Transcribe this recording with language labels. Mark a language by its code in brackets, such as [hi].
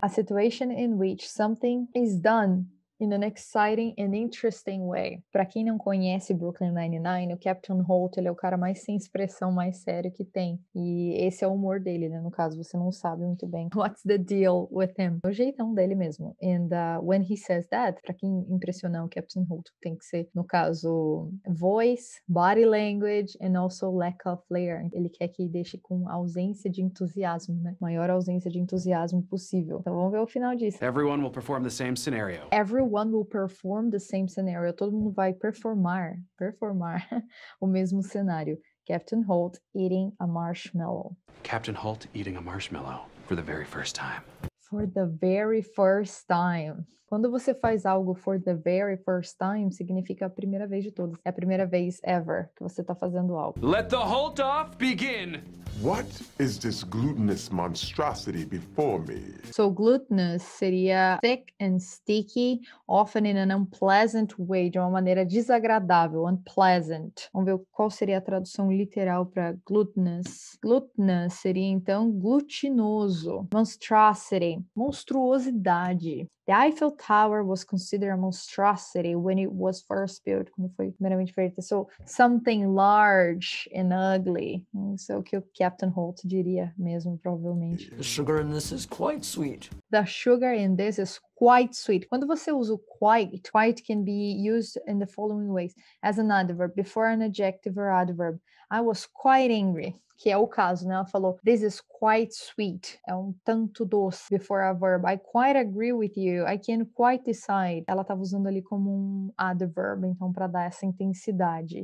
[en] A situation in which something is done in an exciting and interesting way. [pt] Pra quem não conhece Brooklyn Nine-Nine, o Captain Holt, ele é o cara mais sem expressão, mais sério que tem. E esse é o humor dele, né? No caso, você não sabe muito bem. [en] What's the deal with him? [pt] O jeitão dele mesmo. [en] And when he says that, [pt] pra quem impressionar o Captain Holt, tem que ser, no caso, [en] voice, body language, and also lack of flair. [pt] Ele quer que deixe com ausência de entusiasmo, né? Maior ausência de entusiasmo possível. Então vamos ver o final disso. [en] Everyone will perform the same scenario. Everyone will perform the same scenario. [pt] Todo mundo vai performar o mesmo cenário. [en] Captain Holt eating a marshmallow. Captain Holt eating a marshmallow for the very first time. For the very first time. [pt] Quando você faz algo [en] for the very first time, [pt] significa a primeira vez de todos. É a primeira vez ever que você tá fazendo algo. [en] Let the Holt off begin. What is this glutinous monstrosity before me? So glutinous seria thick and sticky, often in an unpleasant way, [pt] de uma maneira desagradável, [en] unpleasant. [pt] Vamos ver qual seria a tradução literal para glutinous. Glutinous seria, então, glutinoso. Monstrosity, monstruosidade. [en] The Eiffel Tower was considered a monstrosity when it was first built. [pt] Quando foi primeiramente feito. [en] So, something large and ugly. [pt] Isso é o que o Captain Holt diria mesmo, provavelmente. [en] The sugar in this is quite sweet. The sugar in this is quite sweet. [pt] Quando você usa o [en] quite can be used in the following ways. As an adverb, before an adjective or adverb. I was quite angry. [pt] Que é o caso, né? Ela falou, [en] this is quite sweet. [pt] É um tanto doce. [en] Before a verb, I quite agree with you. I can quite decide. [pt] Ela estava usando ali como um adverb, então, para dar essa intensidade.